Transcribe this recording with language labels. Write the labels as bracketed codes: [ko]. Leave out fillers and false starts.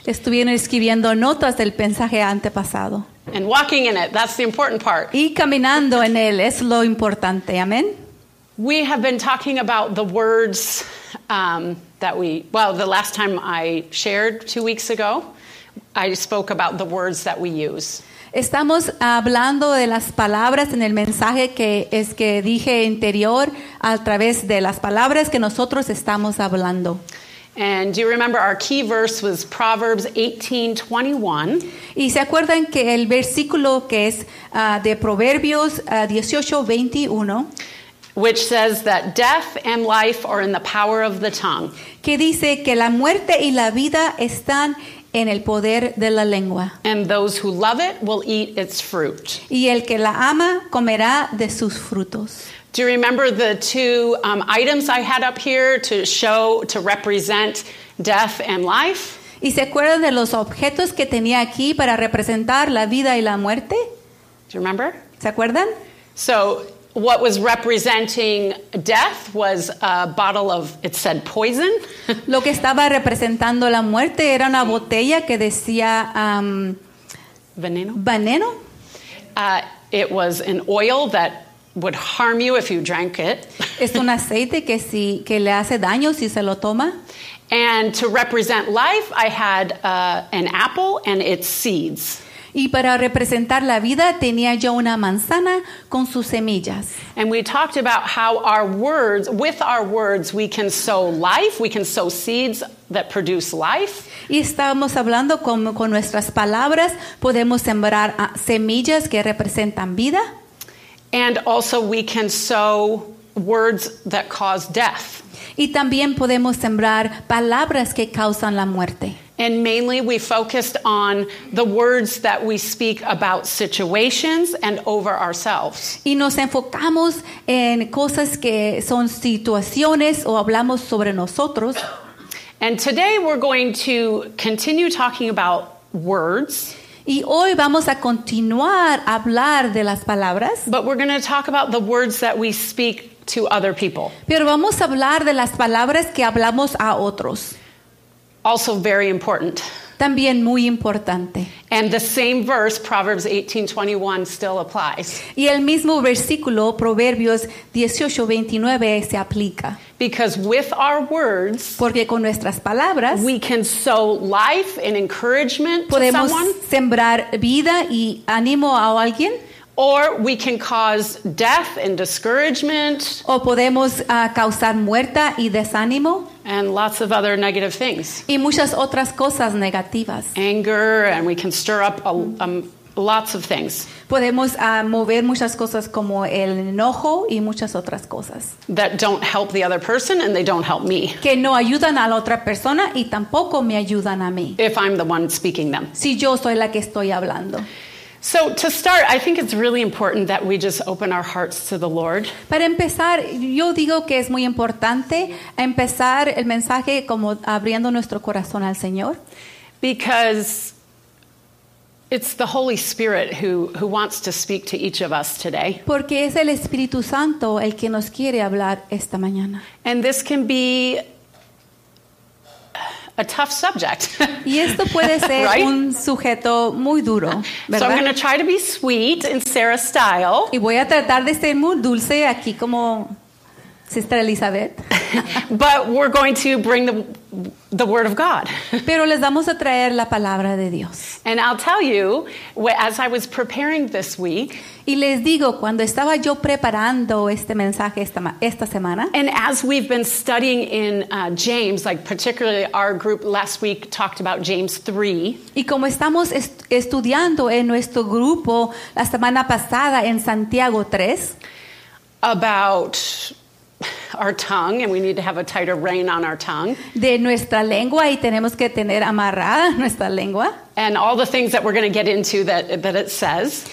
[es] Estuvieron escribiendo notas del mensaje antepasado. [en] And walking in it. That's the important part. [es] Y caminando en él es lo importante. Amen. [en] We have been talking about the words the last time I shared 2 weeks ago, I spoke about the words that we use. [es] Estamos hablando de las palabras en el mensaje que dije anterior a través de las palabras que nosotros estamos hablando. [en] And do you remember our key verse was Proverbs 18:21? [es] Y se acuerdan que el versículo que es de Proverbios 18:21. [en] Which says that death and life are in the power of the tongue. [es] Que dice que la muerte y la vida están en el poder de la lengua. [en] And those who love it will eat its fruit. [es] Y el que la ama comerá de sus frutos. [en] Do you remember the two items I had up here to show, to represent death and life? [es] ¿Y se acuerdan de los objetos que tenía aquí para representar la vida y la muerte? [en] Do you remember? [es] ¿Se acuerdan? [en] So, what was representing death was a bottle of, it said poison. [es] Lo que estaba representando la muerte era una botella que decía veneno. [en] It was an oil that would harm you if you drank it. [es] Es un aceite que le hace daño si se lo toma. [en] And to represent life, I had an apple and its seeds. [es] Y para representar la vida tenía yo una manzana con sus semillas. [en] And we talked about how our words, with our words, we can sow life. We can sow seeds that produce life. [es] Y estábamos hablando cómo con nuestras palabras podemos sembrar semillas que representan vida. [en] And also we can sow words that cause death. [es] Y también podemos sembrar palabras que causan la muerte. [en] And mainly we focused on the words that we speak about situations and over ourselves. [es] Y nos enfocamos en cosas que son situaciones o hablamos sobre nosotros. [en] And today we're going to continue talking about words. [es] Y hoy vamos a continuar a hablar de las palabras. [en] But we're going to talk about the words that we speak to other people. [es] Pero vamos a hablar de las palabras que hablamos a otros. [en] Also very important. [es] También muy importante. [en] And the same verse, Proverbs 18:21, still applies. [es] Y el mismo versículo, Proverbios 18:29, se aplica. [en] Because with our words, [es] porque con nuestras palabras, [en] we can sow life and encouragement to someone. [es] Podemos sembrar vida y ánimo a alguien. [en] Or we can cause death and discouragement. [es] O podemos causar muerte y desánimo. [en] And lots of other negative things. [es] Y muchas otras cosas negativas. [en] Anger, and we can stir up lots of things. [es] Podemos mover muchas cosas como el enojo y muchas otras cosas. [en] That don't help the other person and they don't help me. [es] Que no ayudan a la otra persona y tampoco me ayudan a mí. [en] If I'm the one speaking them. [es] Si yo soy la que estoy hablando. [en] So to start, I think it's really important that we just open our hearts to the Lord. [es] Para empezar, yo digo que es muy importante empezar el mensaje como abriendo nuestro corazón al Señor. [en] Because it's the Holy Spirit who wants to speak to each of us today. [es] Porque es el Espíritu Santo el que nos quiere hablar esta mañana. [en] And this can be a tough subject. [es] Y esto puede ser [en] right? [es] Un sujeto muy duro, ¿verdad? [en] So I'm going to try to be sweet in Sarah style. [es] Y voy a tratar de ser muy dulce aquí como Sister Elizabeth. [en] But we're going to bring the the word of God. [es] Pero les vamos a traer la palabra de Dios. [en] And I'll tell you, as I was preparing this week, [es] y les digo, cuando estaba yo preparando este mensaje esta semana, [en] and as we've been studying in James, like particularly our group last week talked about James 3, [es] y como estamos estudiando en nuestro grupo la semana pasada en Santiago 3, [en] about our tongue, and we need to have a tighter rein on our tongue. [es] De nuestra lengua, y tenemos que tener amarrada nuestra lengua. [en] And all the things that we're going to get into that it says.